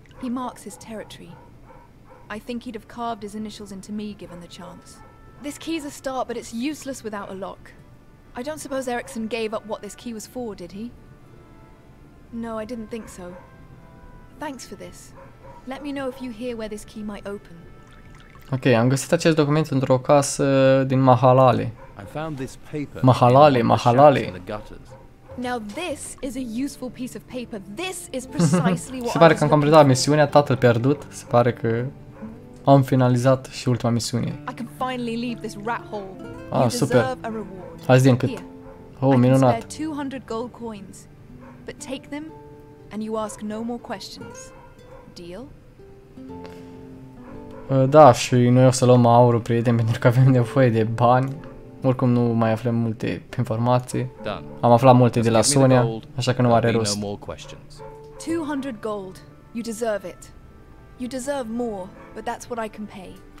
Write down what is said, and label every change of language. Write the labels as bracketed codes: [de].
[en] He marks his territory. I think he'd have carved his initials into me given the chance. This key's a start, but it's useless without a lock. I don't suppose Ericsson gave up what this key was for, did he? No, I didn't think so. Thanks for this. Let me know if you hear where this key might open. [ro] Ok, am găsit acest document într-o casă din Mahalale. [en] I found this paper. Mahalale, Mahalale. Now this is a useful piece of paper. This is precisely what. [ro] Se pare că am completat misiunea tatăl pierdut. Se pare că am finalizat și ultima misiune. [en] I can finally leave this rat hole. [ro] Ah, super. Azi din cât. Oh, minunat. [en] 200 gold coins. But take them and you ask no more questions. Deal? [ro] Da, și noi o să luăm aurul, prieteni, pentru că avem nevoie de bani. Oricum nu mai aflăm multe informații. [en] Done. [ro] Am aflat multe just de la Sonia, așa că nu are rost. [en] 200 gold. You deserve it. You deserve more, but that's what I can pay.